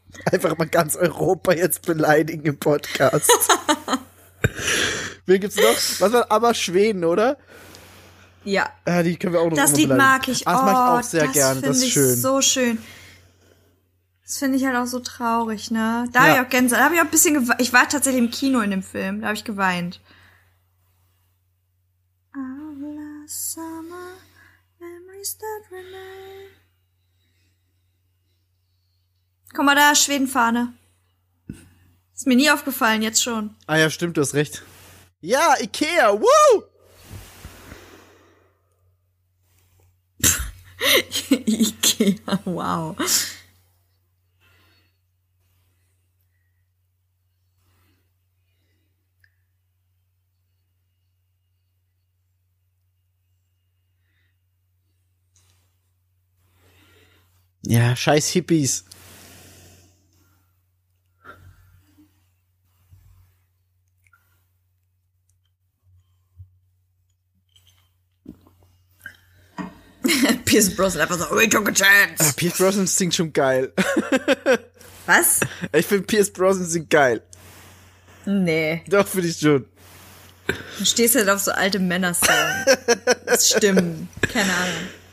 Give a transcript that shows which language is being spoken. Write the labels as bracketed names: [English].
[German] Einfach mal ganz Europa jetzt beleidigen im Podcast. Wen gibt's noch? Was war aber Schweden, oder? Ja. Die können wir auch noch Das Lied mag ich auch. Das mag ich auch sehr gerne. Das finde ich schön. So schön. Das finde ich halt auch so traurig, ne? Da habe ich auch Gänse. Da habe ich auch ein bisschen geweint. Ich war tatsächlich im Kino in dem Film. Da habe ich geweint. [English] All the summer memories that remain. [German] Guck mal da, Schwedenfahne. Ist mir nie aufgefallen, jetzt schon. Ah ja, stimmt, du hast recht. Ja, Ikea, woo! Ikea, wow. Ja, scheiß Hippies. Pierce Brosnan einfach so, [English] we took a chance. [German] Ah, Pierce Brosnan singt schon geil. Was? Ich finde, Pierce Brosnan singt geil. Nee. Doch, finde ich schon. Du stehst halt auf so alte Männer-Songs. Das stimmt. Keine Ahnung.